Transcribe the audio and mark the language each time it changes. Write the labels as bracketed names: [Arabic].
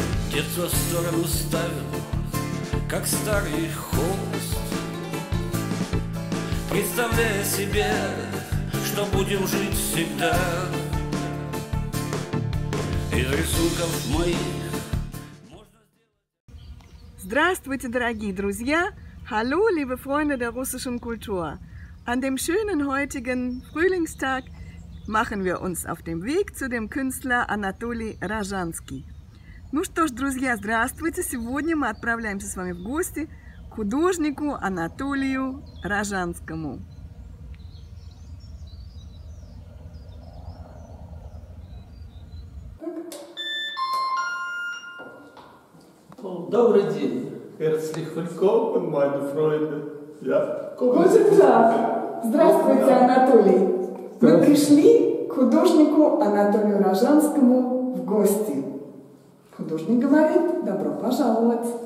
[Russian] Детство в сторону ставил, как старый холст, представляя себе, что будем жить всегда. Из рисунков моих можно сделать... Здравствуйте, дорогие друзья! [German] Hallo, liebe Freunde der russischen Kultur! An dem schönen heutigen Frühlingstag machen wir uns auf den Weg zu dem Künstler Anatoly Rajansky. [Russian] Ну что ж, друзья, здравствуйте! Сегодня мы отправляемся с вами в гости к художнику Анатолию Рожанскому. Добрый день! [German] Herzlich willkommen, meine Freunde. Ja. Guten Tag. [Russian] Здравствуйте, Анатолий. Мы пришли к художнику Анатолию Рожанскому в гости. Художник говорит: добро пожаловать.